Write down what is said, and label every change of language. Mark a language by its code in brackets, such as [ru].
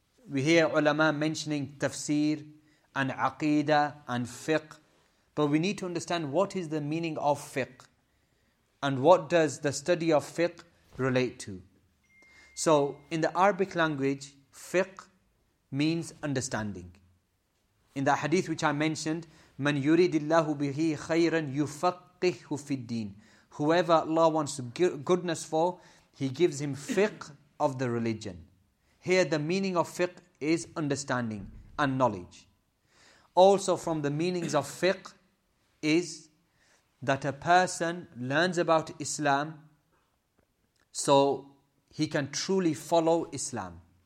[en] We hear ulama mentioning tafsir and aqeedah and fiqh. But we need to understand what is the meaning of fiqh and what does the study of fiqh relate to. So in the Arabic language, fiqh means understanding. In the hadith which I mentioned, [ar] مَنْ يُرِدِ اللَّهُ بِهِ خَيْرًا يُفَقِّهُ فِي الدِّينِ. [en] Whoever Allah wants goodness for, He gives him fiqh of the religion. Here the meaning of fiqh is understanding and knowledge. Also from the meanings of fiqh is that a person learns about Islam so he can truly follow Islam.